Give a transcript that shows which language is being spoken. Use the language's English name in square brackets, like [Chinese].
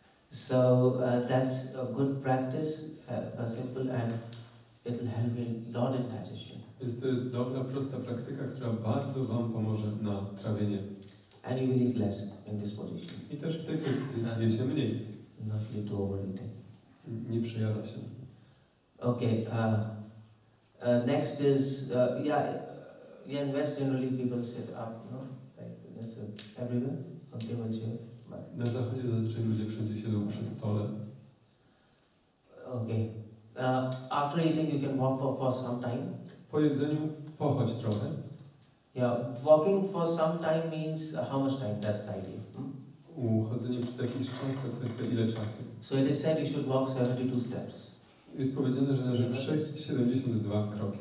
[English] So that's a good practice, simple, and it'll help you a lot in digestion. [Polish] To jest dobra, prosta praktyka, która bardzo wam pomoże na trawienie. [English] And you will eat less in this position. [Polish] I też w tej pozycji je się mniej. [English] Not to overeat. [Polish] Nie przejada się. [English] Okay. Next is yeah, in West generally people sit up, no? Like this everywhere, something which you. [Polish] Na zachodzie zazwyczaj ludzie wszędzie siedzą przy stole. [English] Okay. After eating, you can walk for some time. [Polish] Po jedzeniu pochodź trochę. [English] Yeah, walking for some time means how much time? That's the idea. [Polish] Chodzenie przy jakimś końcu to kwestia ile czasu. [English] So it is said you should walk 72 steps. [Polish] Jest powiedziane, że należy przejść 72 kroki.